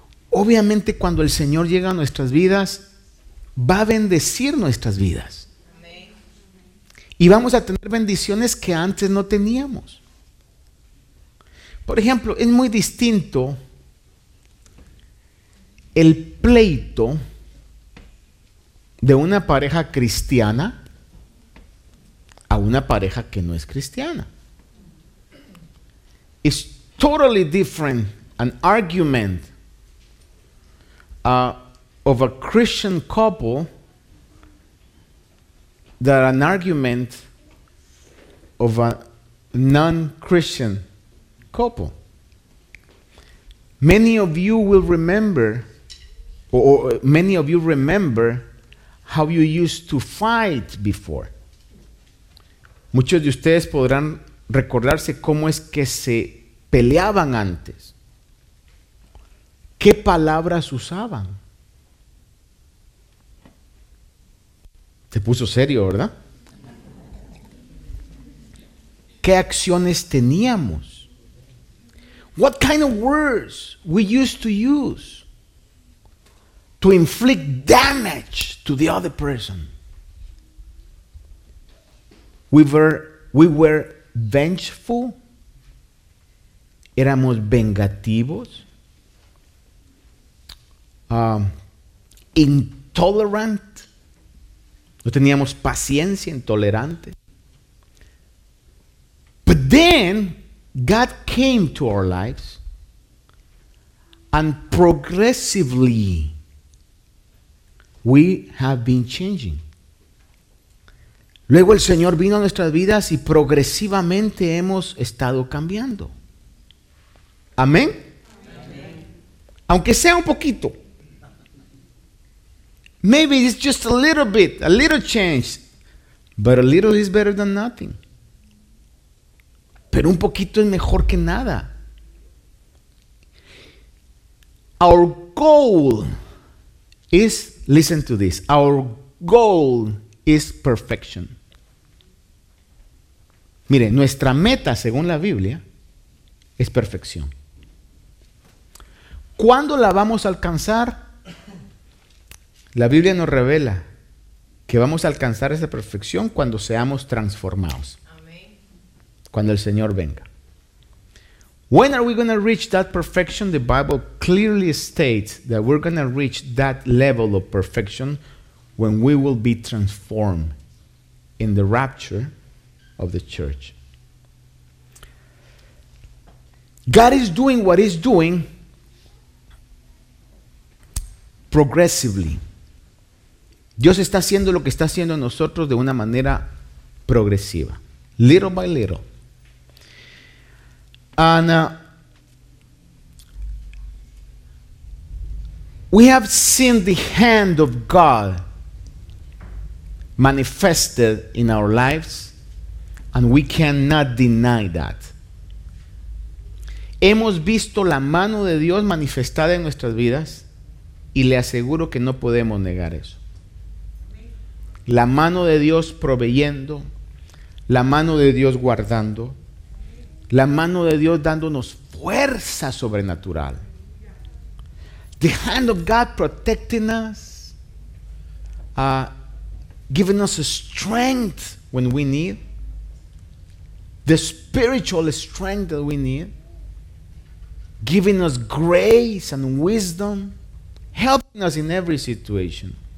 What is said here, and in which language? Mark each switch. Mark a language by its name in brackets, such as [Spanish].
[Spanish] Obviamente, cuando el Señor llega a nuestras vidas, va a bendecir nuestras vidas. Y vamos a tener bendiciones que antes no teníamos. Por ejemplo, es muy distinto el pleito de una pareja cristiana a una pareja que no es cristiana. [English] It's totally different an argument of a Christian couple than an argument of a non-Christian couple. Many of you will remember, or many of you remember how you used to fight before. [Spanish] Muchos de ustedes podrán recordarse cómo es que se peleaban antes. ¿Qué palabras usaban? Se puso serio, ¿verdad? ¿Qué acciones teníamos? [English] What kind of words we used to use to inflict damage to the other person? We were vengeful. [Spanish] Éramos vengativos. [English] Intolerant. [Spanish] No teníamos paciencia, intolerante. [English] But then God came to our lives and progressively we have been changing. [Spanish] Luego el Señor vino a nuestras vidas y progresivamente hemos estado cambiando. ¿Amén? Amén. Aunque sea un poquito. [English] Maybe it's just a little bit, a little change. But a little is better than nothing. [Spanish] Pero un poquito es mejor que nada. [English] Our goal is, listen to this, our goal is perfection. [Spanish] Mire, nuestra meta, según la Biblia, es perfección. ¿Cuándo la vamos a alcanzar? La Biblia nos revela que vamos a alcanzar esa perfección cuando seamos transformados. Cuando el Señor venga. [English] When are we going to reach that perfection? The Bible clearly states that we're going to reach that level of perfection when we will be transformed in the rapture of the church. God is doing what He's doing progressively. [Spanish] Dios está haciendo lo que está haciendo nosotros de una manera progresiva. [English] Little by little. And we have seen the hand of God manifested in our lives, and we cannot deny that. [Spanish] Hemos visto la mano de Dios manifestada en nuestras vidas, y le aseguro que no podemos negar eso. La mano de Dios proveyendo, la mano de Dios guardando, la mano de Dios dándonos fuerza sobrenatural. [English] The hand of God protecting us, giving us strength when we need, the spiritual strength that we need, giving us grace and wisdom, helping us in every situation.